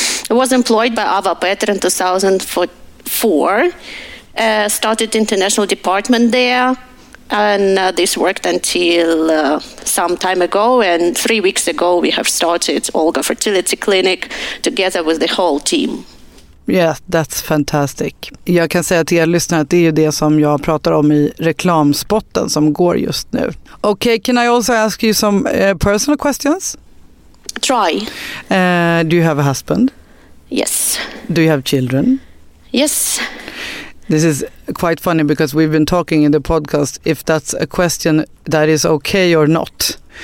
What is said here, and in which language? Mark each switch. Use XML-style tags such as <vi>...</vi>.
<en>I was employed by Ava Petter in 2004, started international department there, and this worked until some time ago, and 3 weeks ago we have started Olga Fertility Clinic together with the whole team. Yeah, that's fantastic.</en> <sv>Jag kan säga till er lyssnare att det är ju det som jag pratar om i reklamspotten som går just nu.</sv> <en>Okay, can I also ask you some personal questions? Try. Do you have a husband? Yes. Do you have children? Yes. This is quite funny because we've been talking in the podcast if that's a question that is okay or not.</en>